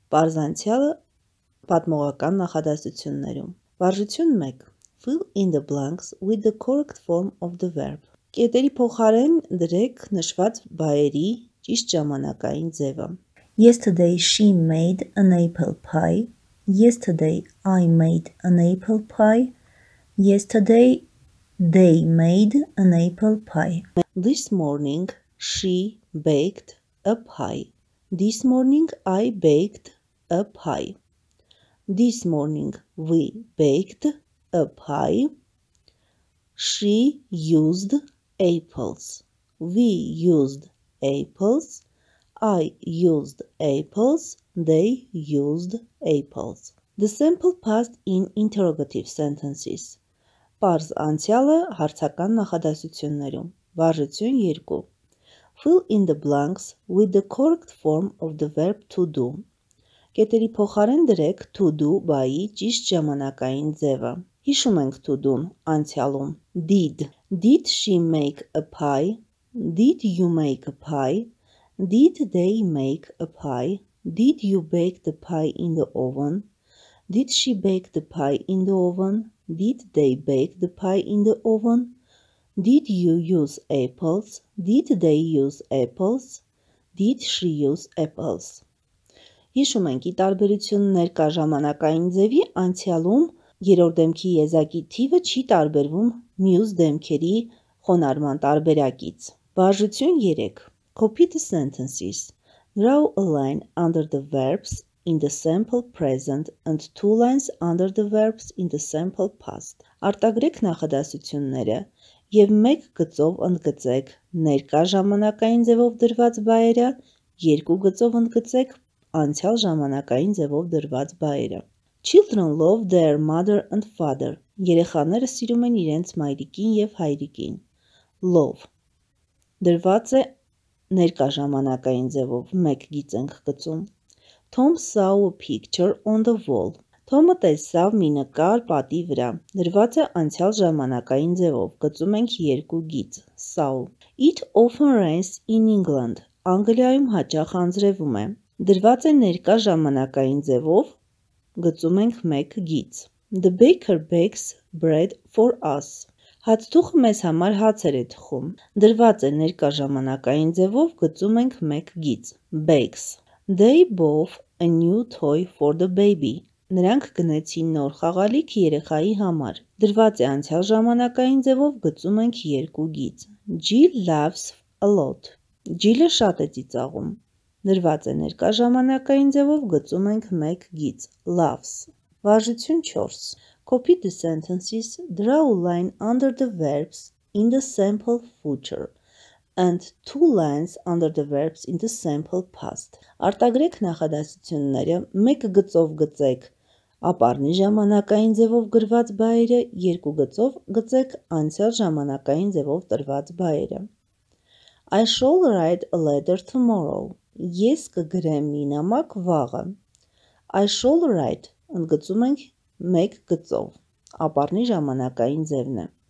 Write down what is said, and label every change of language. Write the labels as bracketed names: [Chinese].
[Armenian] Պարզանցյալը պատմողական նախադասություններում. Վարժություն 1. [English] Fill in the blanks with the correct form of the verb. [Armenian] Կետերի փոխարեն դրեք նշված բայերի ճիշտ ժամանակային ձևը. [English] Yesterday she made an apple pie. Yesterday I made an apple pie. Yesterday they made an apple pie. This morning she baked a pie. This morning I baked a pie. This morning we baked a pie. She used apples. We used apples. I used apples. They used apples. The sample past in interrogative sentences. [Armenian] Պարզ անցյալը հարցական նախադասություններում. Վարժություն 2. [English] Fill in the blanks with the correct form of the verb to do. [Armenian] Կետերի փոխարեն դրեք to do by-ի ճիշտ ժամանակային ձևը. Հիշում ենք to do-ն անցյալում. [English] Did. Did she make a pie? Did you make a pie? Did they make a pie? Did you bake the pie in the oven? Did she bake the pie in the oven? Did they bake the pie in the oven? Did you use apples? Did they use apples? Did she use apples? [Armenian] Հիշում ենք, ի տարբերություն ներկա ժամանակային ձևի անցյալում երրորդ դեմքի եզակի թիվը չի տարբերվում մյուս դեմքերի խոնարհման տարբերակից. Բաժություն 3. [English] Copy the sentences. Draw a line under the verbs in the sample present and two lines under the verbs in the sample past. [Armenian] Արտագրեք նախադասությունները եւ մեկ գծով ընդգծեք ներկա ժամանակային ձևով դրված բայերը, երկու գծով ընդգծեք անցյալ ժամանակային ձևով դրված բայերը. [English] Children love their mother and father. [Armenian] Երեխաները սիրում են իրենց մայրիկին եւ հայրիկին. [English] Love. [Armenian] Դրված է ներկա ժամանակային ձևով, մեկ գիծ ենք գծում. [English] Tom saw a picture on the wall. [Armenian] Թոմը տեսավ մի նկար պատի վրա։ Դրված է անցյալ ժամանակային ձևով, գծում ենք երկու գիծ. Saw. [English] It often rains in England. [Armenian] Անգլիայում հաճախ անձրևում է։ Դրված է ներկա ժամանակային ձևով, գծում ենք մեկ գիծ. [English] The baker bakes bread for us. [Armenian] Հացթուխը մեզ համար հացեր է թխում։ Դրված է ներկա ժամանակային ձևով, գծում ենք մեկ գիծ. [English] Bakes. They bought a new toy for the baby. [Armenian] Նրանք գնեցին նոր խաղալիք երեխայի համար։ Դրված է անցյալ ժամանակային ձևով, գծում ենք երկու գիծ։ [English] Jill loves a lot. [Armenian] Jill-ը շատ է ծիծաղում։ Դրված է ներկա ժամանակային ձևով, գծում ենք մեկ գիծ։ Loves. Վարժություն 4. [English] Copy the sentences, draw a line under the verbs in the sample future and two lines under the verbs in the sample past. [Armenian] Արտագրեք նախադասությունները, մեկ գծով գծեք ապառնի ժամանակային ձևով գրված բայերը, երկու գծով գծեք անցյալ ժամանակային ձևով տրված բայերը. [English] I shall write a letter tomorrow. [Armenian] Ես կգրեմ մի նամակ վաղը։ I shall write, ընդգծում ենք մեկ գծով, ապառնի ժամանակային ձևն է.